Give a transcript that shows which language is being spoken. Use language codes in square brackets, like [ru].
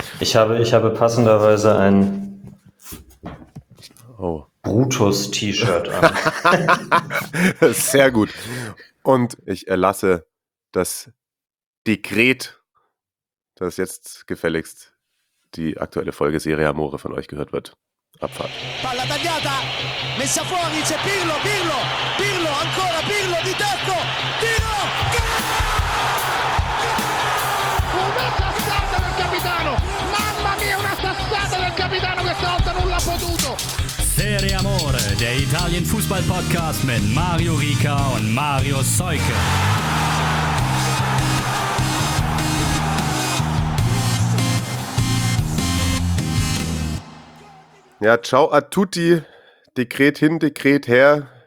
[de] Ich habe passenderweise ein Brutus-T-Shirt an. Sehr gut. Und ich erlasse das Dekret, dass jetzt gefälligst die aktuelle Folge Serie Amore von euch gehört wird. Abfahrt. [it] Palla tagliata, messa fuori, c'è Pirlo, Pirlo, Pirlo, ancora Pirlo, di tacco, tiro, gol! Una sassata del capitano, mamma mia, una sassata del capitano, questa volta non l'ha potuto. [de] Serie Amore, der Italien Fußball Podcast mit Mario Rica und Mario Soike. Ja, [it] ciao a tutti. [de] Dekret hin, Dekret her.